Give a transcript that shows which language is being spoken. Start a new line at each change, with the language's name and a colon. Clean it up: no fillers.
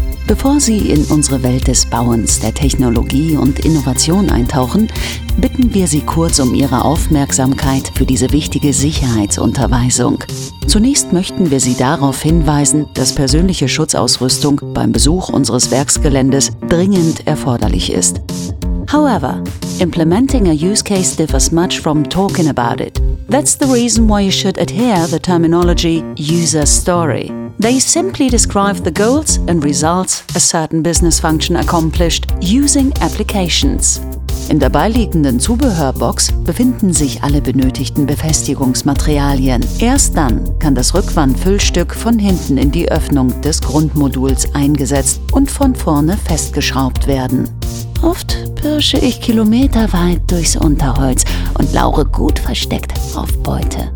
German: Bevor Sie in unsere Welt des Bauens, der Technologie und Innovation eintauchen, bitten wir Sie kurz um Ihre Aufmerksamkeit für diese wichtige Sicherheitsunterweisung. Zunächst möchten wir Sie darauf hinweisen, dass persönliche Schutzausrüstung beim Besuch unseres Werksgeländes dringend erforderlich ist.
English: However, implementing a use case differs much from talking about it. That's the reason why you should adhere the terminology user story. They simply describe the goals and results a certain business function accomplished using applications.
German: In der beiliegenden Zubehörbox befinden sich alle benötigten Befestigungsmaterialien. Erst dann kann das Rückwandfüllstück von hinten in die Öffnung des Grundmoduls eingesetzt und von vorne festgeschraubt werden. Oft pirsche ich kilometerweit durchs Unterholz und laure gut versteckt auf Beute.